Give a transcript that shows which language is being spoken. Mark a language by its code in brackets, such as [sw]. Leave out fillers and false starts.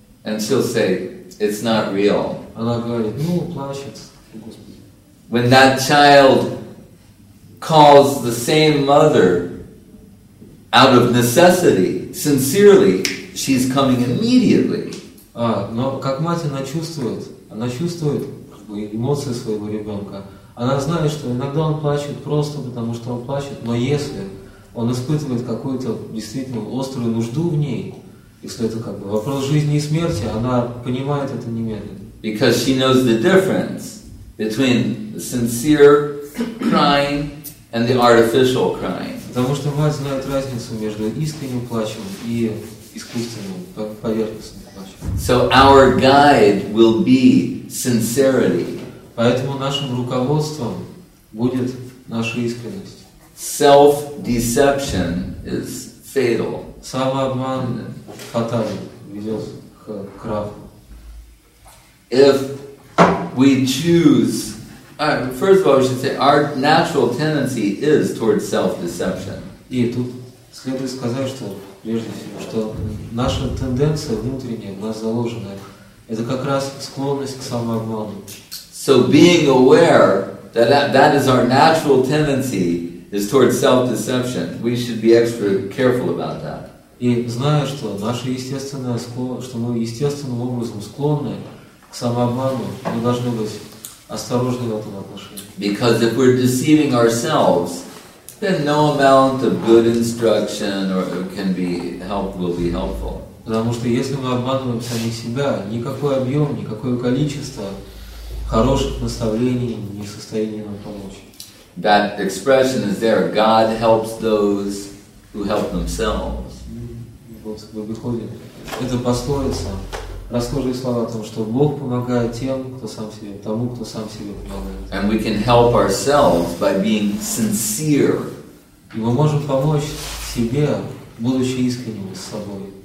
[en] And she'll say, it's not real. [ru] Она говорит, ну, плачет, Господи. [en] When that child calls the same mother out of necessity, sincerely, she's coming immediately. [ru] Но как мать она чувствует эмоции своего ребенка. Она знает, что иногда он плачет просто потому, что он плачет, но если он испытывает какую-то действительно острую нужду в ней, если это как бы вопрос жизни и смерти, она понимает это немедленно. [en] Because she knows the difference between the sincere crying and the artificial crying. [ru] Потому что мать знает разницу между искренним плачем и искусственным, поверхностным плачем. [en] So our guide will be sincerity. [ru] Поэтому нашим руководством будет наша искренность. [en] Self-deception is fatal. [ru] Самообман фатально ведет к краху. [en] If we choose, first of all, we should say our natural tendency is towards self-deception. [ru] И тут следует сказать, что прежде всего, что наша тенденция внутренняя, в нас заложенная, это как раз склонность к самообману. [en] So being aware that is our natural tendency is towards self-deception, we should be extra careful about that. [ru] И зная, что наше естественное что мы естественным образом склонны к самообману, мы должны быть осторожны в этом отношении. [en] Because if we're deceiving ourselves, then no amount of good instruction or can be help will be helpful. [ru] Потому что если мы обманываем сами себя, никакой объем, никакое количество хороших наставлений не в состоянии нам помочь. [en] That expression is there. God helps those who help themselves. [ru] Вот выходит. Это пословица. Расхожие слова о том, что Бог помогает тем, кто сам себе, тому, кто сам себе помогает. [en] And we can help ourselves by being sincere. [ru] И мы можем помочь себе, будучи искренними с собой.